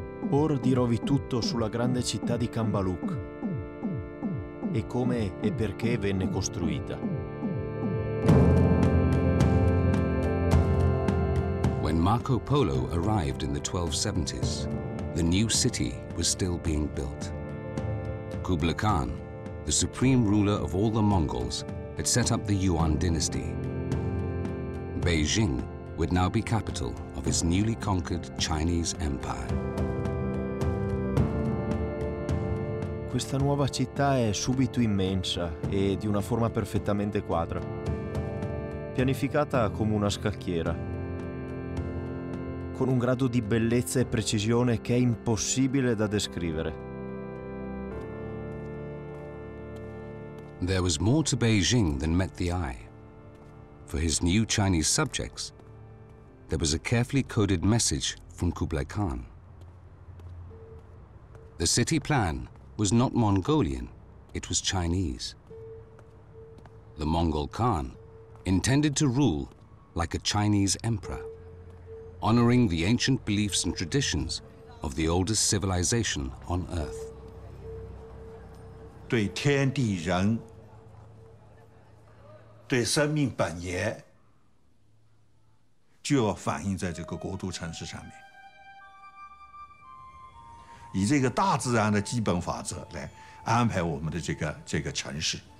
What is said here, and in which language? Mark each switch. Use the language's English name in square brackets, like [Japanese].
[Italian] Or dirovi tutto sulla grande città di Cambaluc e come e perché venne costruita. [English] When Marco Polo arrived in the 1270s, the new city was still being built. Kublai Khan, the supreme ruler of all the Mongols, had set up the Yuan dynasty. Beijing would now be capital of his newly conquered Chinese empire. [Italian] Questa nuova città è subito immensa e di una forma perfettamente quadra, pianificata come una scacchiera, con un grado di bellezza e precisione che è impossibile da descrivere. [English] There was more to Beijing than met the eye. For his new Chinese subjects, there was a carefully coded message from Kublai Khan. The city plan was not Mongolian, it was Chinese. The Mongol Khan intended to rule like a Chinese emperor, honoring the ancient beliefs and traditions of the oldest civilization on earth. [Chinese] 对天地人，对生命本源，就要反映在这个国都城市上面。以这个大自然的基本法则来安排我们的这个城市。